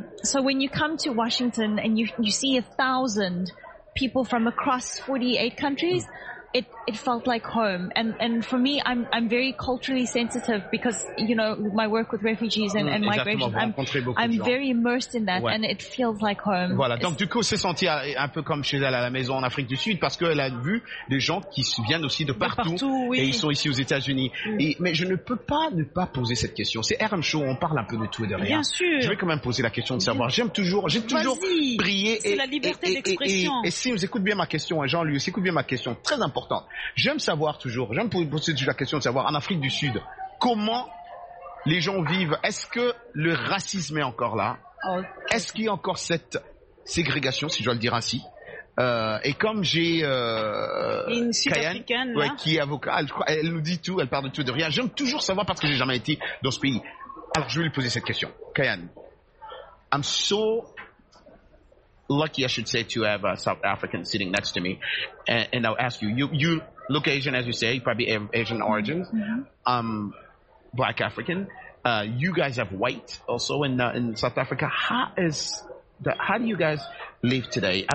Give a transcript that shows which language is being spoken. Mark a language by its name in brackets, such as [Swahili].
[English] So when you come to Washington and you see 1,000 people from across 48 countries, It felt like home, and for me, I'm very culturally sensitive because, you know, my work with refugees and migration, I'm very immersed in that, and it feels like home. [French] Voilà. Donc du coup, c'est senti un peu comme chez elle à la maison en Afrique du Sud parce qu'elle a vu des gens qui viennent aussi de partout, oui. Et ils sont ici aux États-Unis. Mais je ne peux pas ne pas poser cette question. C'est RM Show, on parle un peu de tout et de rien. Bien sûr. Je vais quand même poser la question de savoir. J'ai toujours brillé. C'est la liberté d'expression. Et si vous écoutez bien ma question, Jean-Louis, écoute bien ma question. Très important. J'aime poser toujours la question de savoir, en Afrique du Sud, comment les gens vivent? Est-ce que le racisme est encore là? Est-ce qu'il y a encore cette ségrégation, si je dois le dire ainsi? Et comme j'ai une Kayane, sud-africaine, ouais, qui est avocat, elle nous dit tout, elle parle de tout et de rien. J'aime toujours savoir parce que j'ai jamais été dans ce pays. Alors je vais lui poser cette question. [English] Kayane, I'm so lucky, I should say, to have a South African sitting next to me. And I'll ask you, you look Asian, as you say, you probably have Asian origins, Black African. You guys have white also in South Africa. How do you guys live today?